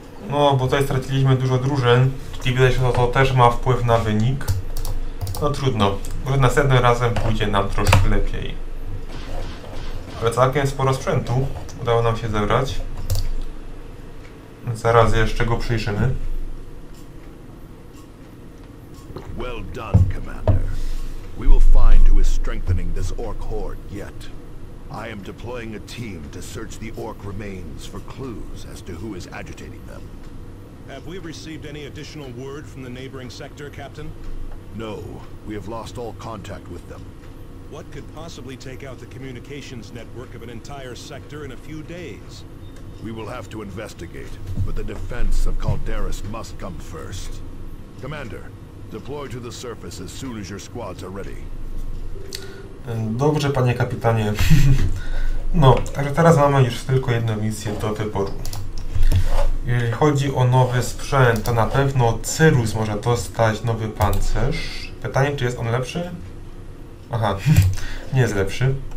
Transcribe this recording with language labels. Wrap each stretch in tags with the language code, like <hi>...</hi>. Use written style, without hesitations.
<pl>No, bo tutaj straciliśmy dużo drużyn. Czyli widać, że to też ma wpływ na wynik. No trudno. Może następnym razem pójdzie nam troszkę lepiej. Ale całkiem sporo sprzętu udało nam się zebrać. Zaraz jeszcze go przyjrzymy.</pl> <en>Well done, Commander. We will find who is strengthening this orc horde yet. I am deploying a team to search the orc remains for clues as to who is agitating them. Have we received any additional word from the neighboring sector, Captain? No, we have lost all contact with them. What could possibly take out the communications network of an entire sector in a few days? We will have to investigate, but the defense of Calderas must come first. Commander, deploy to the surface as soon as your squads are ready.</en> <pl>Dobrze, panie kapitanie. No, także teraz mamy już tylko jedną misję do wyboru. Jeżeli chodzi o nowy sprzęt, to na pewno Cyrus może dostać nowy pancerz. Pytanie, czy jest on lepszy? Aha, nie jest lepszy.</pl>